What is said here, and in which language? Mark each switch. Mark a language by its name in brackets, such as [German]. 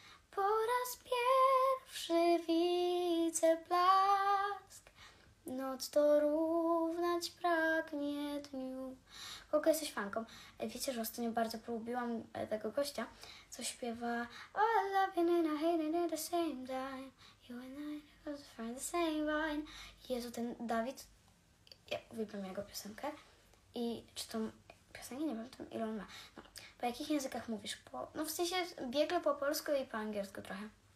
[Polish] Po raz pierwszy widzę blask, noc dorównać pragnie dniu. kogo jesteś fanką. Wiecie, że ostatnio bardzo polubiłam tego gościa, co śpiewa [English] Oh, I love you and I hate you at the same time. You and I are from the same vine. [Polish] Jezu, ten Dawid, ja uwielbiam jego piosenkę. I czy tą piosenkę, nie pamiętam, ile on ma. No, po jakich językach mówisz? No w sensie biegle po polsku i po angielsku trochę.